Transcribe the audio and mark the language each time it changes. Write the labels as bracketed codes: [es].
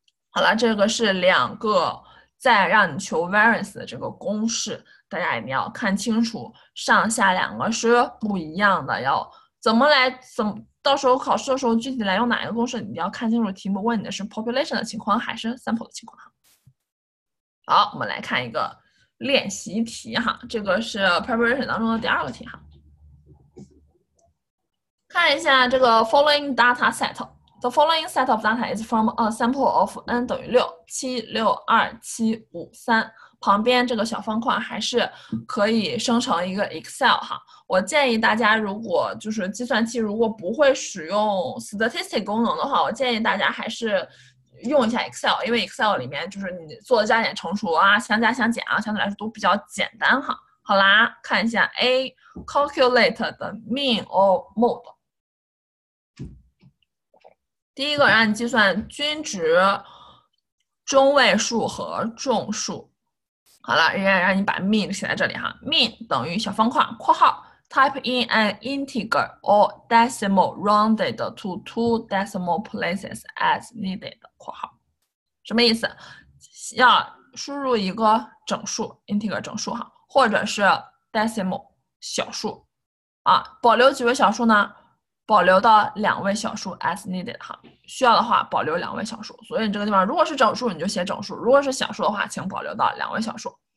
[zh] 好了，这个是两个再让你求 variance 的这个公式，大家一定要看清楚，上下两个是不一样的，要怎么来怎么。到时候考试的时候具体来用哪一个公式，你要看清楚题目问你的是 population 的情况还是 sample 的情况哈。好，我们来看一个练习题哈，这个是 preparation 当中的第二个题哈。看一下这个 [en] following data set， the following set of data is from a sample of n [zh] 等于6 7 6 2 7 5 3，旁边这个小方块还是可以生成一个 Excel 哈。我建议大家如果就是计算器如果不会使用 statistic 功能的话，我建议大家还是用一下 Excel， 因为 Excel 里面就是你做的加减乘除啊，相加相减啊，相对来说都比较简单哈。好啦，看一下 [en] A calculate the mean or mode， [zh] 第一个让你计算均值、中位数和众数。好了，人家让你把 mean 写在这里哈。 [en] mean [zh] 等于小方块（括号 [en] ）type in an integer or decimal rounded to two decimal places as needed [zh] （括号）。什么意思？要输入一个整数 （integer 整数）哈，或者是 decimal 小数啊。保留几位小数呢？保留到两位小数 [en] as needed [zh] 哈，需要的话保留两位小数。所以你这个地方如果是整数你就写整数，如果是小数的话请保留到两位小数。